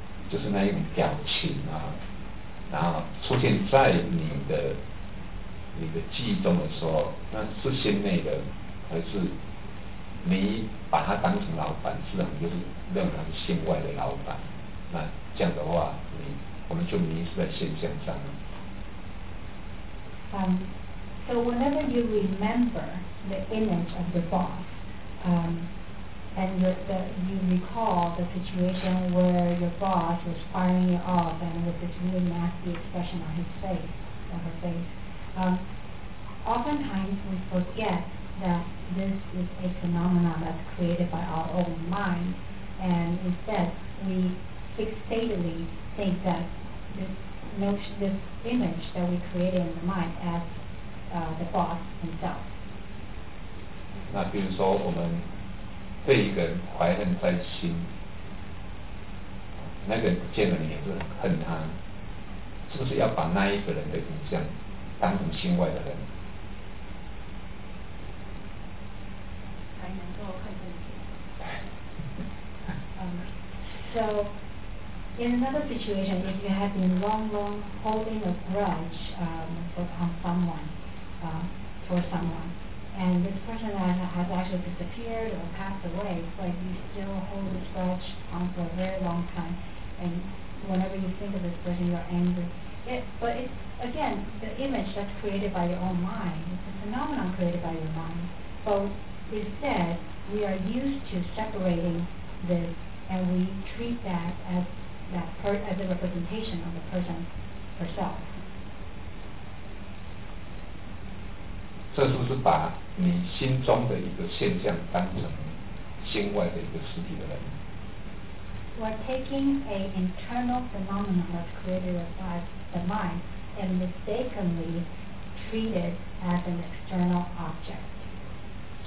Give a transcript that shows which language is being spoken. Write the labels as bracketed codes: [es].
[zh] 就是那一种表情啊，然后出现在你的记忆中的时候，那是心内的，还是你把他当成老板，是很就是认为他是心外的老板，那这样的话，我们就迷失在现象上了。 [en] So whenever you remember the image of the boss, and you recall the situation where your boss was firing you off and with this really nasty expression on his face, on her face, oftentimes we forget that this is a phenomenon that's created by our own mind, and instead we fixatedly think that this image that we created in the mind as the boss himself. [zh] 那比如说我们对一个人怀恨在心，那个人不见了你也是恨他，是不是要把那一个人的影像当成心外的人？才能够恨自己。 [en] So, in another situation, if you have been long holding a grudge for someone. And this person has actually disappeared or passed away, but you still hold this grudge on for a very long time. And whenever you think of this person, you're angry. But it's, again, the image that's created by your own mind. It's a phenomenon created by your mind. So instead, we are used to separating this, and we treat that as, as a representation of the person herself. [zh] 这是不是把你心中的一个现象当成心外的一个实体的人？ [en] We're taking an internal phenomenon that's created by the mind and mistakenly treated as an external object.